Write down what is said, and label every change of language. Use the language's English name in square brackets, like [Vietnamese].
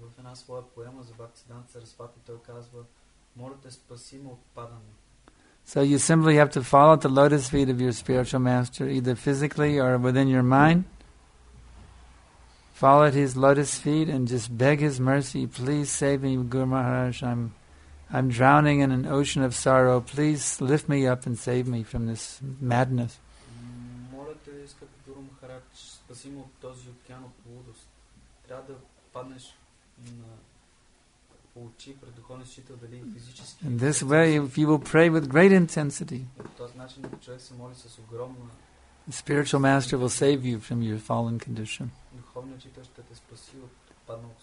[Bulgarian] една своя поема за Бхактисиддханта Сарасвати, той казва: "Може да спаси ме от падане." [English] So you simply have to follow the lotus feet of your spiritual master, either physically or within your mind. Follow at his lotus feet and just beg his mercy. "Please save me, Guru Maharaj. I'm drowning in an ocean of sorrow. Please lift me up and save me from this madness." [Bulgarian] Моля те, скъпи Гуру Махарадж, спаси ме от този океан от лудост. Трябва да паднеш на очи пред духовния считал, дали физически. [English] In this way, if you will pray with great intensity, [Bulgarian] човек се моли с огромна, [English] the spiritual master will save you from your fallen condition. [Bulgarian] Духовният учител ще те спаси от падналото